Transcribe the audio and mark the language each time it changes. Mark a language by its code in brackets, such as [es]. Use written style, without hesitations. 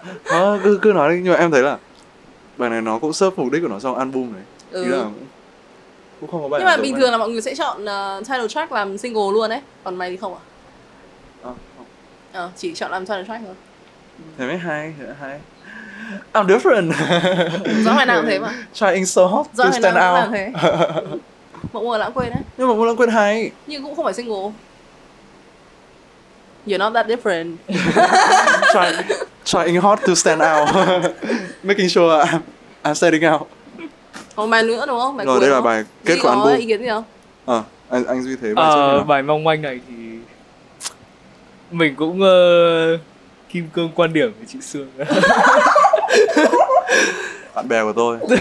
[vi] Nó cứ nói đi, nhưng mà em thấy là bài này nó cũng serve mục đích của nó trong album này. Ừ. Là cũng không có bài. Nhưng mà bình thường là mọi người sẽ chọn title track làm single luôn ấy, còn mày thì không à? À, không. À, chỉ chọn làm title track thôi. Thế mới hay, thế mới hay. [en] I'm different. [vi] Rõ ngoài nào cũng thế mà. [en] Trying so hard to stand out. [vi] Mộng mùa lãng quên ấy. Nhưng mà mùa lãng quên hay. Nhưng cũng không phải single. [en] You're not that different. trying hard to stand out. Making sure I'm standing out. [vi] Còn bài nữa đúng không? Bài rồi đây là bài kết quả album. Duy có ý kiến gì không? Anh Duy thế. Bài mong manh này thì mình cũng kim cương quan điểm với chị Sương. Bạn bè của tôi.